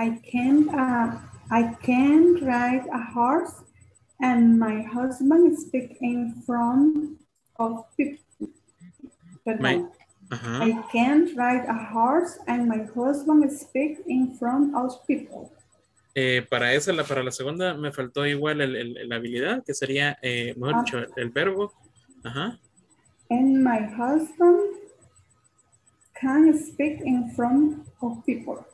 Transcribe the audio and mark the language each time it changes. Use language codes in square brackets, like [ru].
[en] I can ride a horse, and my husband speaks in front of people. I can ride a horse, and my husband speaks in front of people. [es] Para esa, para la segunda, me faltó igual la habilidad, que sería, mejor dicho, el verbo. Ajá. [en] And my husband can speak in front of people.